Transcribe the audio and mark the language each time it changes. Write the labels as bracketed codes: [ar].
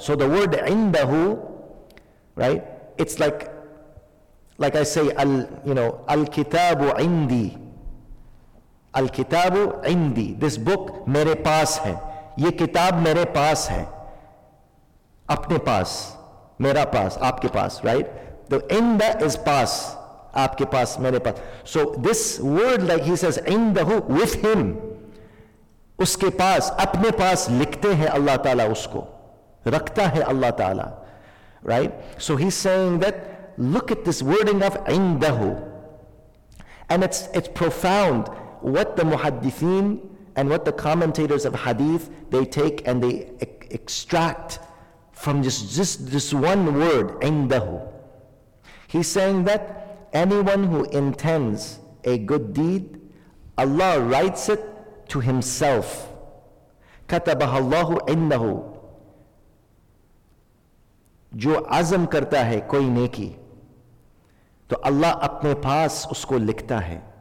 [en] So the word indahu, right, it's like I say, al, you know, [ar] al-kitabu indi, al-kitabu indi, [en] this book [ur] میرے پاس ہے, یہ کتاب میرے پاس ہے, اپنے پاس, میرا پاس, آپکے پاس, [en] right? The inda is [ur] پاس, آپکے پاس, میرے پاس. [en] So this word, like he says, indahu, with him, [ur] اسکے پاس, اپنے پاس, لکھتے ہے اللہ تعالیٰ اسکو, رکھتا ہے اللہ تعالیٰ, [en] right? So he's saying that, look at this wording of indahu. And it's profound what the muhaddithin and what the commentators of hadith, they take and they extract from just this one word, indahu. He's saying that anyone who intends a good deed, Allah writes it to himself. [ar] كَتَبَهَ اللَّهُ عِنَّهُ, [ur] جو عزم کرتا ہے کوئی نیکی, تو اللہ اپنے پاس اس کو لکھتا ہے.